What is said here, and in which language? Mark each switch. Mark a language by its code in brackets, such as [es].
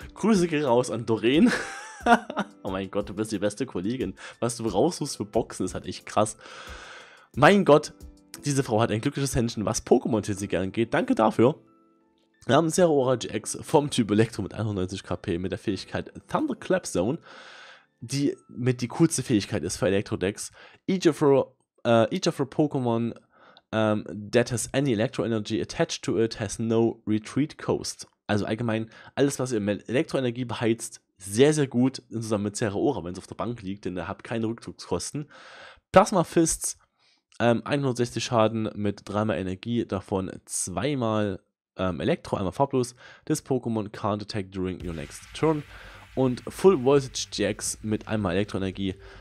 [de] Grüße gehen raus an Doreen. Oh mein Gott, du bist die beste Kollegin. Was du raussuchst für Boxen, ist halt echt krass. Mein Gott, Diese Frau hat ein glückliches Händchen, was Pokémon-TCG angeht. Danke dafür. Wir haben Zerora GX vom Typ Elektro mit 190 KP mit der Fähigkeit Thunderclap Zone, die mit die coolste Fähigkeit ist für Elektro-Decks. [en] Each of your Pokémon that has any Elektro-Energy attached to it has no retreat cost. [de] Also allgemein, alles, was ihr mit Elektro-Energie beheizt, sehr, sehr gut zusammen mit Zerora, wenn es auf der Bank liegt, denn ihr habt keine Rückzugskosten. Plasma Fists, 160 Schaden mit 3x Energie, davon 2x Elektro, einmal farblos. [en] This Pokémon can't attack during your next turn. [de] Und Full Voltage GX mit 1x Elektroenergie.